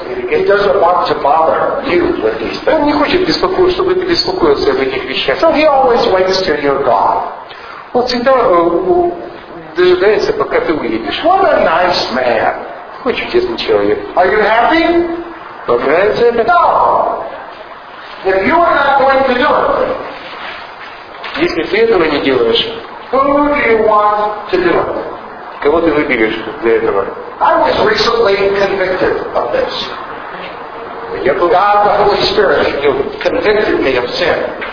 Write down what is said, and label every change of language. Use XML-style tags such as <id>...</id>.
<en>He doesn't want to bother you with these things.</en> <ru>Он не хочет беспокоить, чтобы ты беспокоился об этих вещах.</ru> <en>So he always waits till you're gone.</en> <ru>Он всегда дожидается, пока ты уедешь.</ru> <en>What a nice man.</en> <ru>Какой чудесный человек.</ru> <en>Are you happy?</en> <ru>Понравится это?</ru> <en>No. If you are not going to do it,</en> <ru>если ты этого не делаешь,</ru> <en>who do you want to do it?</en> <ru>Кого ты выберешь для этого?</ru> <en>I was recently convicted of this. God, the Holy Spirit, you convicted me of sin.</en>